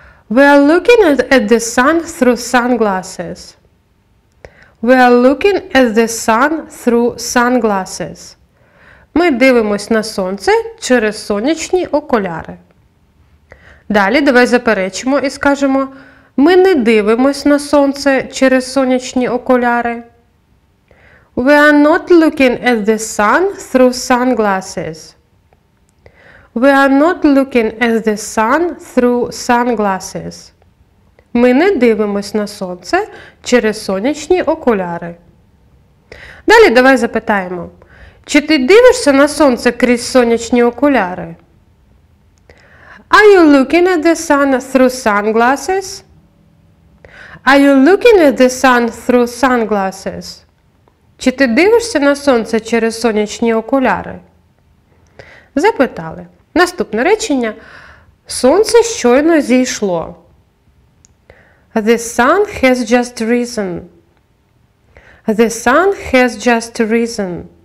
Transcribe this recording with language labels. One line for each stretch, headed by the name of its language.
English: We are looking at the sun through sunglasses. We are looking at the sun through sunglasses.
Ukrainian: Ми дивимось на сонце через сонячні окуляри. Далі давай заперечимо і скажемо, ми не дивимось на сонце через сонячні окуляри.
English: We are not looking at the sun through sunglasses. We are not looking at the sun through sunglasses.
Ukrainian: Ми не дивимось на сонце через сонячні окуляри. Далі давай запитаємо, чи ти дивишся на сонце крізь сонячні окуляри?
English: Are you looking at the sun through sunglasses? Are you looking at the sun through sunglasses?
Ukrainian: Чи ти дивишся на сонце через сонячні окуляри? Запитали. Наступне речення. Сонце щойно зійшло.
English: The sun has just risen. The sun has just risen.